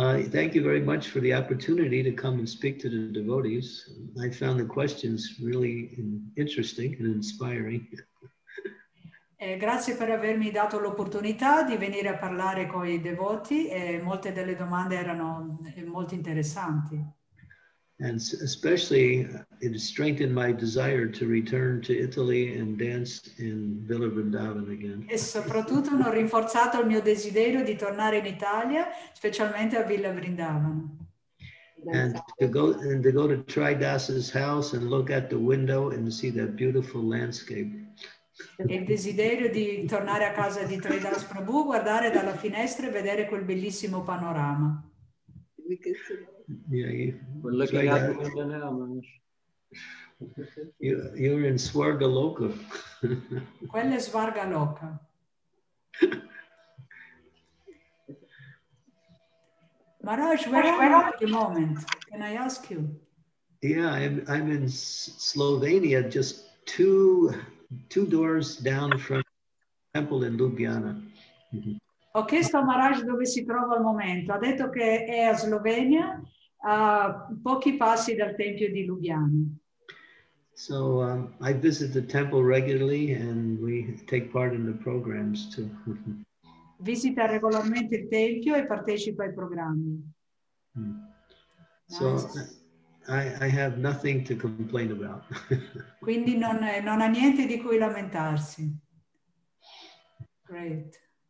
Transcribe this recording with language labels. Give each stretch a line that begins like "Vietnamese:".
English: Thank you very much for the opportunity to come and speak to the devotees. I found the questions really interesting and inspiring.
Italian: Grazie per avermi dato l'opportunità di venire a parlare con i devoti e molte delle domande erano molto interessanti.
English: And especially it strengthened my desire to return to Italy and dance in Villa Vrindavan again.
Italian: E soprattutto hanno rinforzato il mio desiderio di tornare in Italia, specialmente a Villa Vrindavan.
English: And to go to Tridas's house and look at the window and see that beautiful landscape.
Italian: E il desiderio di tornare a casa di Tridas Prabhu, guardare dalla finestra e vedere quel bellissimo panorama.
English: You're in Svargaloka.
Italian: Quella è Svargaloka.
English: Maharaj, where are you at the moment? Can I ask you? Yeah, I'm in Slovenia, just two doors down from temple in Ljubljana.
Italian: Ho chiesto a Maharaj dove si trova al momento. Ha detto che è a Slovenia, a pochi passi dal tempio di Ljubljana.
English: So I visit the temple regularly and we take part in the programs too.
Italian: Visita regolarmente il tempio e partecipa ai programmi.
English: So I have nothing to complain about.
Italian: Quindi non ha niente di cui lamentarsi.
English: Great.